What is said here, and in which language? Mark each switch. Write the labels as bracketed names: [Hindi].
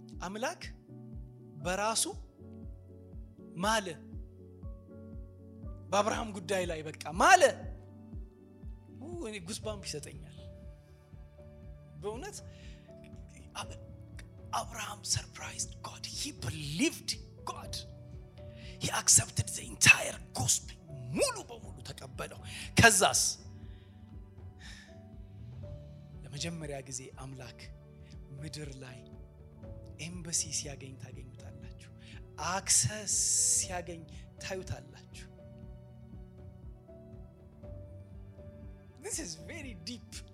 [Amharic] አምላክ በራሱ ማለ በአብርሃም ጉዳይ ላይ በቃ ማለ ወይ ጉስባም ይሰጠኛል። በእውነት አብርሃም [English] surprised God. He believed God. He accepted the entire gospel. [Amharic] ሙሉ በሙሉ ተቀበለው። ከዛስ ለመጀመሪያ ጊዜ አምላክ ምድር ላይ ኤምባሲ ሲያገኝ ታገኙታላችሁ። አክሰስ ሲያገኝ ታዩታላችሁ። [English] This is very deep.